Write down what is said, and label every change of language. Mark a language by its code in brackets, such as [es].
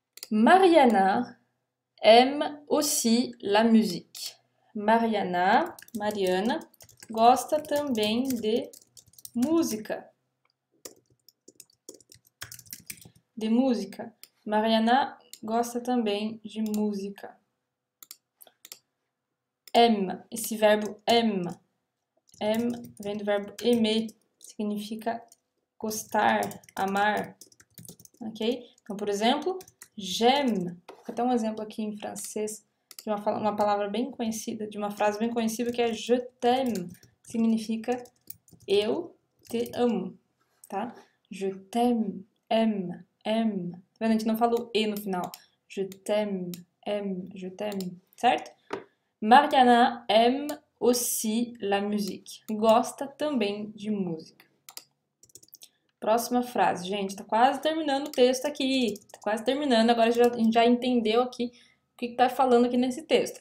[fr] Mariana aime aussi la musique. [pt] Mariana gosta também de música. De música. Mariana gosta também de música. Aime, esse verbo aime. Aime vem do verbo aimer, significa gostar, amar. Ok? Então, por exemplo, j'aime. Até um exemplo aqui em francês de uma palavra bem conhecida, de uma frase bem conhecida que é [fr] je t'aime. [pt] Significa eu te amo, tá? [fr] Je t'aime, aime, aime. [pt] Tá vendo? A gente não falou e no final. [fr] Je t'aime, aime, je t'aime, certo? Mariana aime aussi la musique. [pt] Gosta também de música. Próxima frase. Gente, tá quase terminando o texto aqui. Tá quase terminando. Agora a gente já entendeu aqui o que tá falando aqui nesse texto.